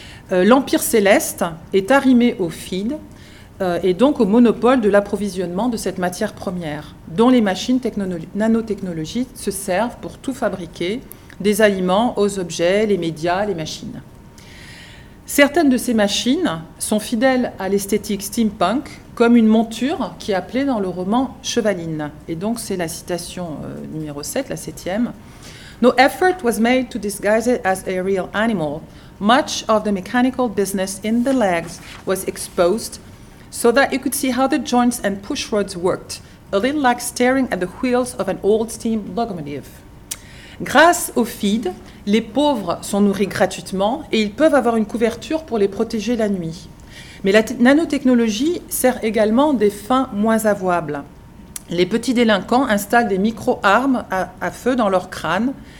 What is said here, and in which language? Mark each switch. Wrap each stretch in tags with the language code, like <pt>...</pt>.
<fr>L'Empire céleste est arrimé au feed et donc au monopole de l'approvisionnement de cette matière première, dont les machines nanotechnologiques se servent pour tout fabriquer, des aliments aux objets, les médias, les machines. Certaines de ces machines sont fidèles à l'esthétique steampunk, comme une monture qui est appelée dans le roman Chevaline. Et donc c'est la citation numéro 7, la 7e.</fr> <en>« No effort was made to disguise it as a real animal. » Much of the mechanical business in the legs was exposed so that you could see how the joints and push rods worked, a little like staring at the wheels of an old steam locomotive.</en> <fr>Grâce au feed, les pauvres sont nourris gratuitement et ils peuvent avoir une couverture pour les protéger la nuit. Mais la nanotechnologie sert également des fins moins avouables. Les petits délinquants installent des micro-armes à feu dans leur crâne.</fr>